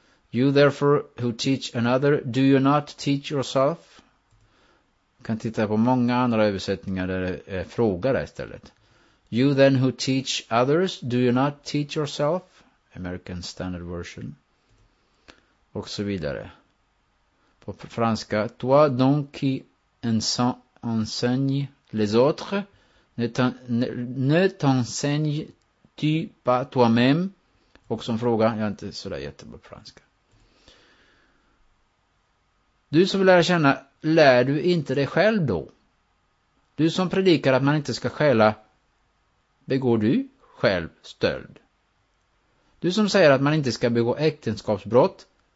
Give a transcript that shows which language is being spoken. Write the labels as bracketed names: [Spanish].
[English] You therefore who teach another, do you not teach yourself? [Swedish] Jag kan titta på många andra översättningar där det är fråga där istället. [English] You then who teach others, do you not teach yourself? [Swedish] American Standard Version. Och så vidare. På franska. [French] Toi donc qui enseigne les autres. Ne t'enseigne tu pas toi-même. [Swedish] Och som fråga. Jag är inte så där jättebra på franska. Du som vill lära känna. Lär du inte dig själv då? Du som predikar att man inte ska stjäla. Begår du själv stöld? Du som säger att man inte ska begå äktenskapsbrott.